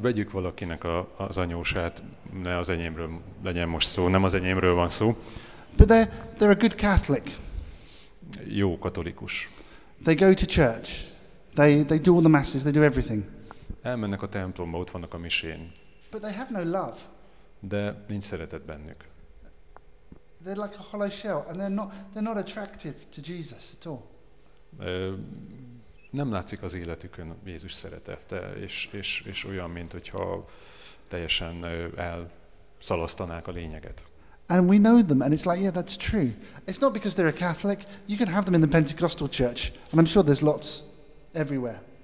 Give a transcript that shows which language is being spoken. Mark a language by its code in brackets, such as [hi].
[hu] Vegyük valakinek az anyósát, ne az enyémről legyen most szó, nem az enyémről van szó. [en] But they're a good Catholic. [hu] Jó katolikus. [en] They go to church. They do all the masses, they do everything. [hu] Elmennek a templomba, ott vannak a misén. [en] But they have no love. [hu] De nincs szeretet bennük. [en] They're like a hollow shell, and they're not attractive to Jesus at all. [hu] Nem látszik az életükön Jézus szeretete, és olyan, mint hogyha teljesen elszalasztanák a lényeget. [en] And we know them, and it's like, yeah, that's true. It's not because they're a Catholic. You can have them in the Pentecostal church, and I'm sure there's lots everywhere.